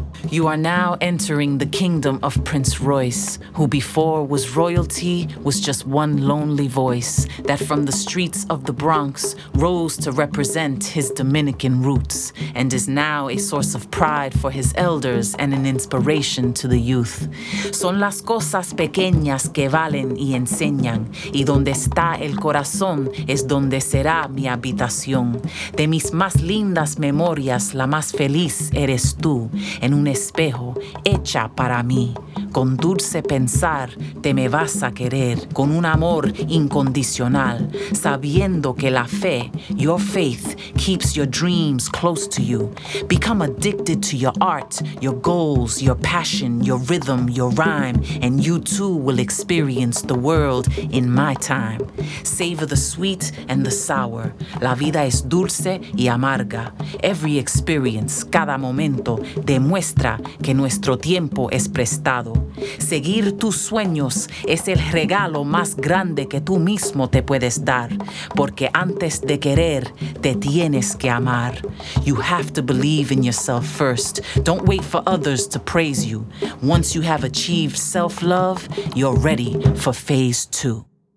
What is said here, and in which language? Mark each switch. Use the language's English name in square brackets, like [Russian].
[English] You are now entering the kingdom of Prince Royce, who before was royalty, was just one lonely voice that from the streets of the Bronx rose to represent his Dominican roots and is now a source of pride for his elders and an inspiration to the youth. [Spanish] Son las cosas pequeñas que valen y enseñan, y donde está el corazón es donde será mi habitación. De mis más lindas memorias, la más feliz eres tú, en un espejo hecha para mí. Con dulce pensar, te me vas a querer, con un amor incondicional, sabiendo que la fe, [English] your faith, keeps your dreams close to you. Become addicted to your art, your goals, your passion, your rhythm, your rhyme, and you too will experience the world in my time. Savor the sweet and the sour. [Spanish] La vida es dulce y amarga. [English] Every experience, [Spanish] cada momento, demuestra que nuestro tiempo es prestado. Seguir tus sueños es el regalo más grande que tú mismo te puedes dar, porque antes de querer, te tienes que amar. [English] You have to believe in yourself first. Don't wait for others to praise you. Once you have achieved self-love, you're ready for phase 2.